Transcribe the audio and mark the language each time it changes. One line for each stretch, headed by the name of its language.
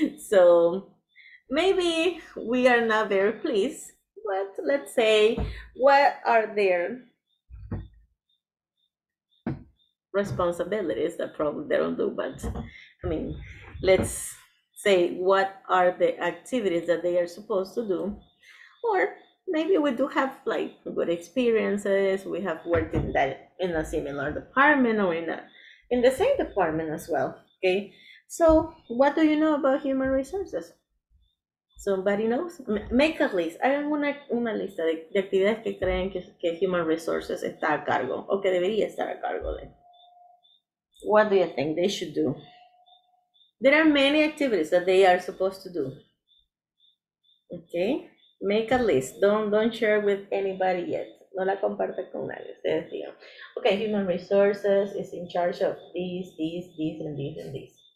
English: So maybe we are not very pleased, but let's say, what are their responsibilities that probably they don't do, but I mean, let's say, what are the activities that they are supposed to do? Or maybe we do have like good experiences, we have worked in that in a similar department or in the same department as well, okay? So what do you know about human resources? Somebody knows? Make a list.
Spanish: Hagan una lista de actividades que creen que human resources está a cargo o que debería estar a cargo de.
English: What do you think they should do? There are many activities that they are supposed to do, okay? Make a list. Don't share with anybody yet.
Spanish: No la comparte con nadie. Ustedes digan.
English: Okay, human resources is in charge of this.